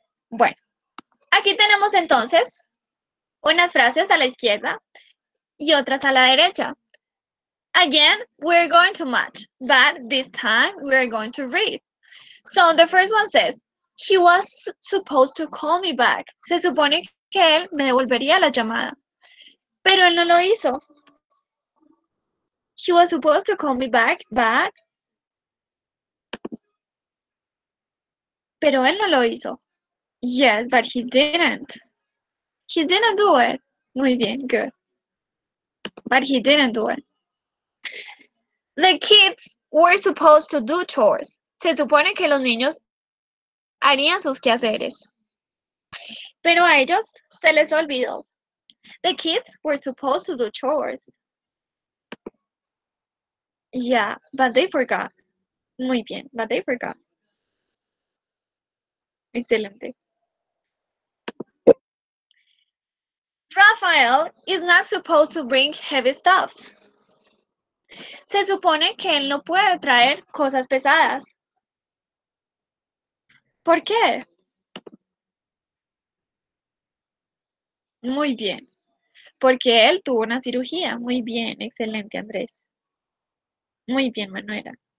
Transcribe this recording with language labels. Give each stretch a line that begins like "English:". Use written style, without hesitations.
Spanish: Bueno, aquí tenemos entonces unas frases a la izquierda y otras a la derecha.
English: Again, we're going to match, but this time we're going to read. So the first one says, she was supposed to call me back.
Spanish: Se supone que él me devolvería la llamada, pero él no lo hizo.
English: She was supposed to call me back, but...
Spanish: Pero él no lo hizo.
English: Yes, but he didn't. He didn't do it.
Spanish: Muy bien,
English: good. But he didn't do it. The kids were supposed to do chores.
Spanish: Se supone que los niños harían sus quehaceres. Pero a ellos se les olvidó.
English: The kids were supposed to do chores. Yeah, but they forgot.
Spanish: Muy bien,
English: but they forgot.
Spanish: Excelente.
English: Rafael is not supposed to bring heavy stuffs.
Spanish: Se supone que él no puede traer cosas pesadas. ¿Por qué? Muy bien. Porque él tuvo una cirugía. Muy bien, excelente, Andrés. Muy bien, Manuela.